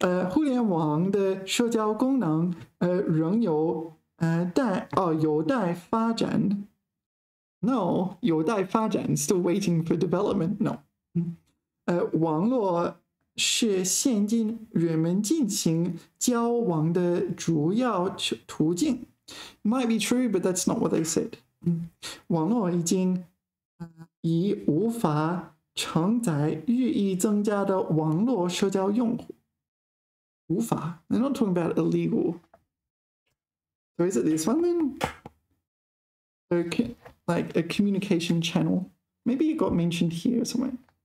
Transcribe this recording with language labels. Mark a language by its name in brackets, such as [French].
[Chinese] 互联网的社交功能仍有有待发展。 [English] No, [Chinese] 有待发展 [English] still waiting for development, no. [Chinese] 网络是现今人们进行交往的主要途径。 [English] Might be true, but that's not what they said. [Chinese] 网络已无法承载日益增加的网络社交用户。 [English] 无法 They're not talking about illegal. So is it this one then? Okay, like a communication channel. Maybe it got mentioned here somewhere.